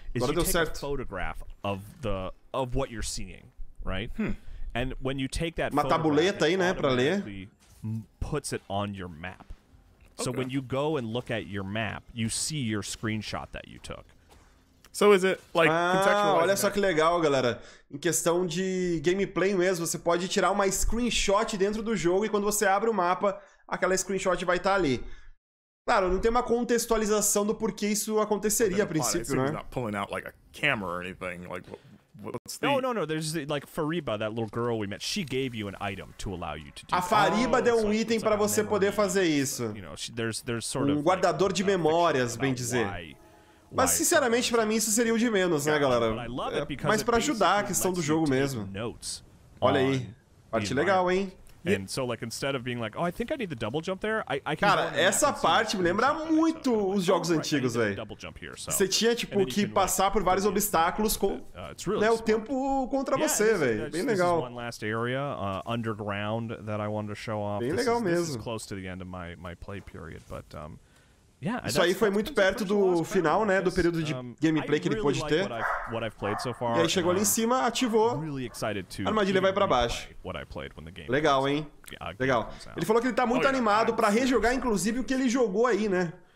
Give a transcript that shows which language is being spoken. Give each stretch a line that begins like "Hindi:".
English: Is you take a photograph of what you're seeing, right? And when you take that
Portuguese: uma tabuleta aí, né, para ler.
English: Puts it on your map. So okay. When you go and look at your map, you see your screenshot that you took. So is it like contextual?
Portuguese: Olha só que legal, galera. Em questão de gameplay mesmo, você pode tirar uma screenshot dentro do jogo e quando você abre o mapa, aquela screenshot vai estar ali. Claro, não tem uma contextualização do porquê isso aconteceria a princípio, né?
English: Pulling out like a camera or anything, like what's the... No. There's like Fariba, that little girl we met. She gave you an item to allow you to do.
Portuguese: A Fariba deu um item para você poder fazer isso.
English: You know, there's sort of
Portuguese: um guardador de memórias, bem dizer. Mas sinceramente, para mim isso seria o de menos, né, galera? Mas para ajudar a questão do jogo mesmo. Olha aí, parte legal, hein?
English: And so, like, instead of being like, oh, I think I need the double jump there, I
Portuguese: cara, essa parte me lembra muito os jogos antigos, velho. Você tinha, tipo, que passar por vários obstáculos com o tempo contra você, velho. Bem legal.
English: One last area, underground, that I wanted to show off.
Portuguese: Bem legal mesmo.
English: Close to the end of my play period, but, yeah,
Portuguese: isso aí foi muito perto do final, né, do período de gameplay que ele pôde ter. E aí chegou ali em cima, ativou, a armadilha vai pra baixo. Legal, hein? Legal. Ele falou que ele tá muito animado pra rejogar, inclusive, o que ele jogou aí, né?